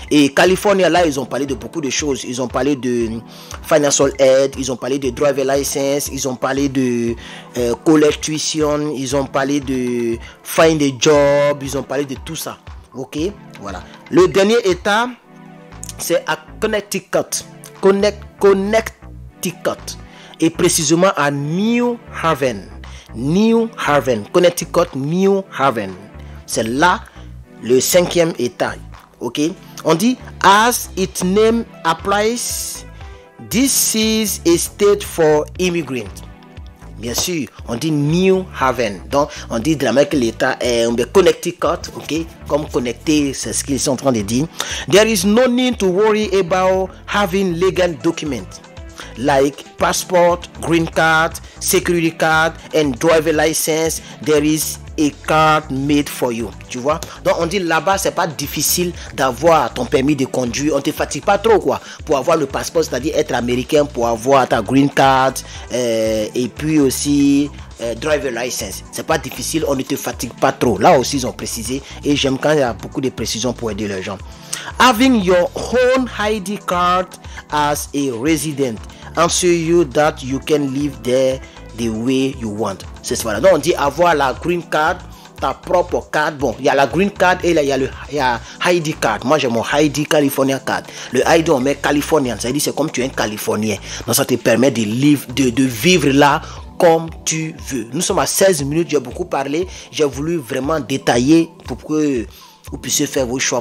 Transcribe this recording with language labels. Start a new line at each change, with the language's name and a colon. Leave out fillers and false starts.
French: Et Californie, là, ils ont parlé de beaucoup de choses. Ils ont parlé de
English: financial aid,
French: ils ont parlé de driver license, ils ont parlé de
English: college tuition,
French: ils ont parlé de
English: find a job,
French: ils ont parlé de tout ça. OK? Voilà. Le dernier état, c'est à Connecticut. Connecticut. Et précisément à New Haven. New Haven. Connecticut, New Haven. C'est là le cinquième état. Ok, on dit
English: as its name applies, this is a state for immigrants.
French: Bien sûr, on dit New Haven. Donc, on dit de la même que l'État est Connecticut. Ok, comme connecté, c'est ce qu'ils sont en train de dire.
English: There is no need to worry about having legal documents like passport, green card, security card, and driver license. There is a card made for you,
French: tu vois. Donc on dit là-bas, c'est pas difficile d'avoir ton permis de conduire, on te fatigue pas trop quoi, pour avoir le passeport, c'est-à-dire être américain, pour avoir ta green card et puis aussi driver license. C'est pas difficile, on ne te fatigue pas trop. Là aussi ils ont précisé et j'aime quand il y a beaucoup de précisions pour aider les gens.
English: Having your own ID card as a resident ensure you that you can live there the way you want.
French: C'est ça. Voilà. Donc on dit avoir la green card, ta propre carte. Bon, il y a la green card et là il y a ID card. Moi j'ai mon ID California card. Le ID on met californien. Ça dit c'est comme tu es un californien. Donc ça te permet de vivre là comme tu veux. Nous sommes à 16 minutes, j'ai beaucoup parlé, j'ai voulu vraiment détailler pour que vous puissiez faire vos choix.